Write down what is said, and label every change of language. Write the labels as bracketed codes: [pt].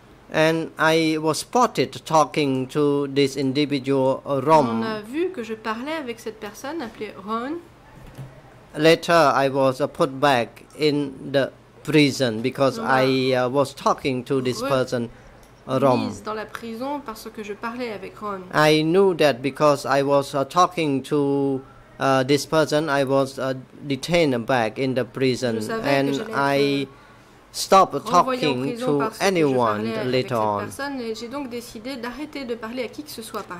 [en] And I was spotted talking to this individual, Rom. [fr] On a vu que je parlais avec cette personne appelée Ron. [en] Later, I was put back in the prison because I was talking to this person, Rom. [fr] Dans la prison parce que je parlais avec Ron. [en] I knew that because I was talking to this person, I was detained back in the prison. And I stop talking to anyone later on. [fr] J'ai donc décidé d'arrêter de parler à qui que ce soit par